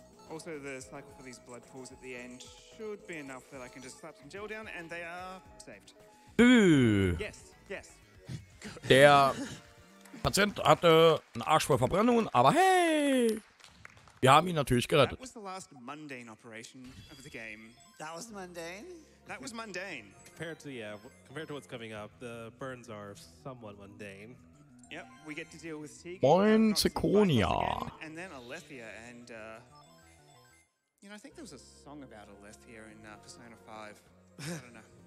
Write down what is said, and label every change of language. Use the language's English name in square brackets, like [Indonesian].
[English] Also the cycle for these blood pools at the end should be enough that I can just slap some gel down and they are saved. Yes, yes. [German] Der Patient hatte einen Arsch voll Verbrennungen, aber hey! Wir haben ihn natürlich gerettet. [English] That was the last mundane operation of the game. That was mundane? That was mundane. Compared to what's coming up, the burns are somewhat mundane. Yep, we get to deal with [German] Tegan. Moin, Zirconia. [English] And then Alethea and you know, I think there was a song about Alethea in Persona 5. I don't know.